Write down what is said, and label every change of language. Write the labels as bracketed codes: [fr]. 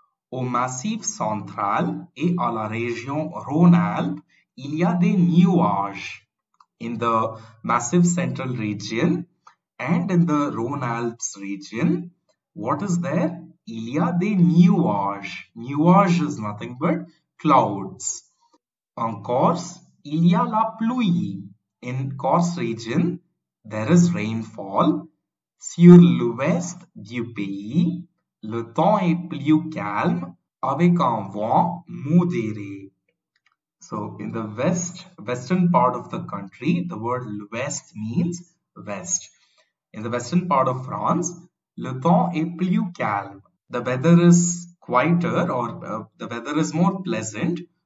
[fr] Au massif central et à la région Rhône-Alpes, il y a des nuages. [en] In the massif central region and in the Rhône-Alpes region, what is there? [fr] Il y a des nuages. [en] Nuages is nothing but clouds. [fr] En Corse, il y a la pluie. [en] In Corse region, there is rainfall. [fr] Sur l'ouest du pays, le temps est plus calme avec un vent modéré. [en] So, in the west, western part of the country, the word l'ouest means west. In the western part of France, [fr] le temps est plus calme. [en] The weather is quieter or the weather is more pleasant.